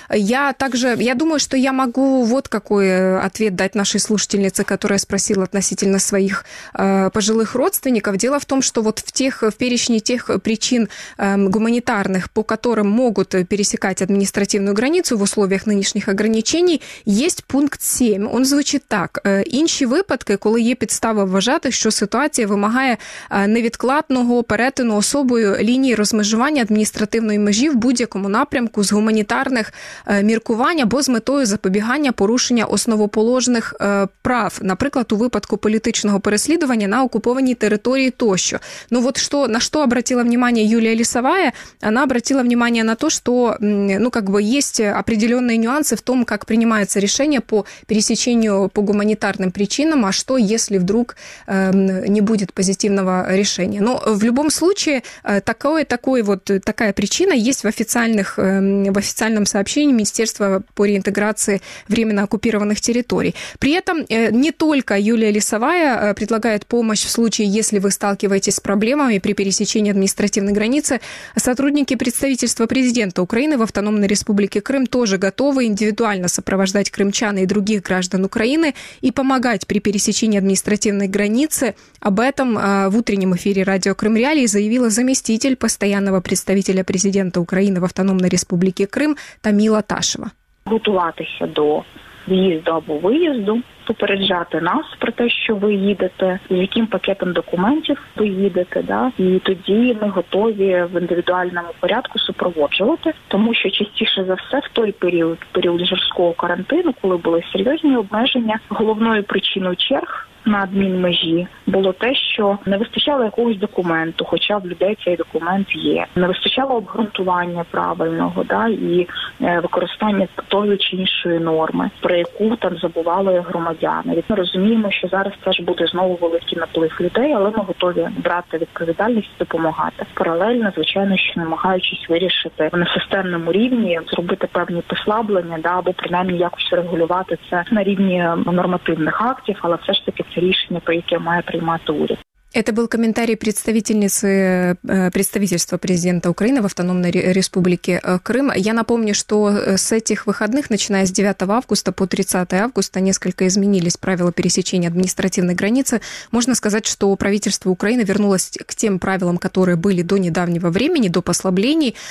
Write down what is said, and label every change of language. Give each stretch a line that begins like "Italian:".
Russian: Я думаю, что я могу вот какой ответ дать нашей слушательнице, которая спросила относительно своих пожилых родственников. Дело в том, что вот в перечне тех причин гуманитарных, по которым могут пересекать административную границу в условиях нынешніх ограничений, есть пункт 7. Он звучит так.
Ukrainian: Інші випадки, коли є підстава вважати, що ситуація вимагає невідкладного перетину особою лінії розмежування адміністративної межі в будь-якому напрямку з гуманітарних міркувань або з метою запобігання порушення основоположних прав, наприклад, у випадку політичного переслідування на окупованій території тощо. Ну от що, на що
Russian: обратила внимание Юлія Лісовая?
Ukrainian: Вона
Russian: обратила внимание
Ukrainian: на те, що, є
Russian: определенные нюансы в том, как принимается решение по пересечению по гуманитарным причинам, а что, если вдруг не будет позитивного решения. Но в любом случае такая причина есть в официальном сообщении Министерства по реинтеграции временно оккупированных территорий. При этом не только Юлия Лисовая предлагает помощь в случае, если вы сталкиваетесь с проблемами при пересечении административной границы. Сотрудники представительства президента Украины в Автономной Республике Крым тоже готовы индивидуально сопровождать крымчан и других граждан Украины и помогать при пересечении административной границы. Об этом в утреннем эфире радио «Крым Реалии» заявила заместитель постоянного представителя президента Украины в Автономной Республике Крым Тамила Ташева.
Ukrainian: Готуватися до в'їзду або виїзду, попереджати нас про те, що ви їдете, з яким пакетом документів ви їдете, да? І тоді ми готові в індивідуальному порядку супроводжувати, тому що частіше за все в той період жорсткого карантину, коли були серйозні обмеження, головною причиною черг на адмінмежі було те, що не вистачало якогось документу, хоча в людей цей документ є. Не вистачало обґрунтування правильного, да, і використання тої чи іншої норми, про яку там забували громадяни. Ми розуміємо, що зараз теж буде знову великий наплив людей, але ми готові брати відповідальність і допомагати. Паралельно, звичайно, що намагаючись вирішити на системному рівні, зробити певні послаблення, да, або принаймні якось регулювати це на рівні нормативних актів, але все ж таки це рішення, про яке має приймати уряд.
Russian: Это был комментарий представительницы представительства президента Украины в Автономной Республике Крым. Я напомню, что с этих выходных, начиная с 9 августа по 30 августа, несколько изменились правила пересечения административной границы. Можно сказать, что правительство Украины вернулось к тем правилам, которые были до недавнего времени, до послаблений.